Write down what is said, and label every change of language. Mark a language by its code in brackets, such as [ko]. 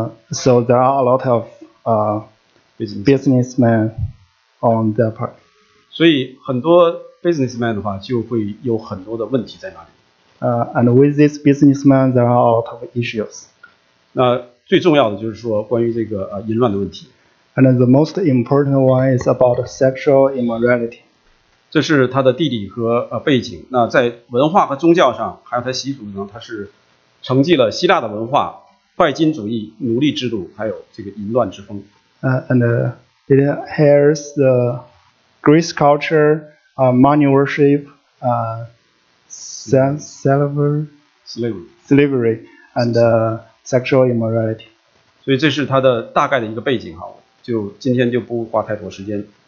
[en] So there are a lot of businessmen on that part. [zh] 所以很多 businessman 的话就会有很多的问题在那里。 [en] And with this businessman there are a lot of issues. [zh] 那最重要的就是说关于这个淫乱的问题。 [en] And the most important one is about sexual immorality. [zh] 这是它的地理和背景。那在文化和宗教上还有它习俗呢，它是承继了希腊的文化、拜金主义、奴隶制度还有这个淫乱之风。 [en] and it has the Greek culture, money worship, slavery, and sexual immorality. [zh] 所以这是它的大概的一个背景哈，就今天就不花太多时间。